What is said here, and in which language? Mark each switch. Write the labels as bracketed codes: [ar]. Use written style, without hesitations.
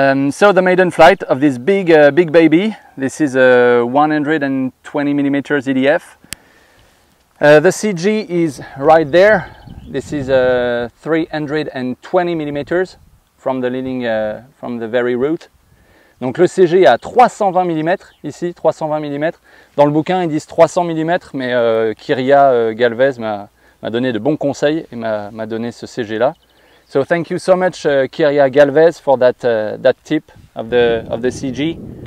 [en] So the maiden flight of this big baby. This is a 120mm EDF. The CG is right there. This is 320mm from the leading from the very root. [fr] Donc le CG est à 320mm ici, 320mm. Dans le bouquin ils disent 300mm, mais Kyria Galvez m'a donné de bons conseils et m'a donné ce CG là. [en] So thank you so much Kyria Galvez for that that tip of the CG.